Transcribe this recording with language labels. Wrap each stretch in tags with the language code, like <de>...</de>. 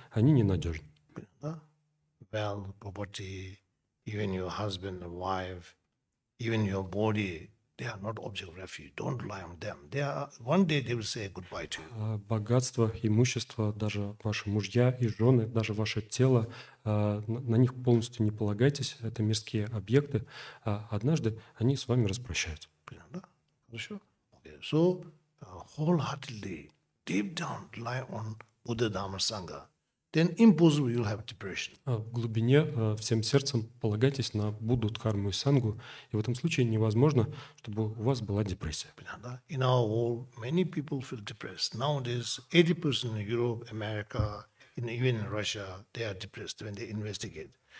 <ru>Они ненадежны.</ru> <en>Well, property, even your husband and wife, even your body, they are not object of refuge. Don't rely on them. They are, one day they will say goodbye to you.</en> <ru>Богатство, имущество, даже ваши мужья и жены, даже ваше тело, на них полностью не полагайтесь. Это мирские объекты. Однажды они с вами распрощаются. Да, хорошо.</ru> <en>So, wholeheartedly, deep down, rely on Buddha, Dhamma, Sangha. Then impossible you'll have depression.</en> <ru>В глубине, всем сердцем полагайтесь на Будду, Дхарму и Сангу, и в этом случае невозможно, чтобы у вас была депрессия.</ru> <en>In our world, many people feel depressed. Nowadays, 80% in Europe, America, and even in Russia, they are depressed when they investigate.</en>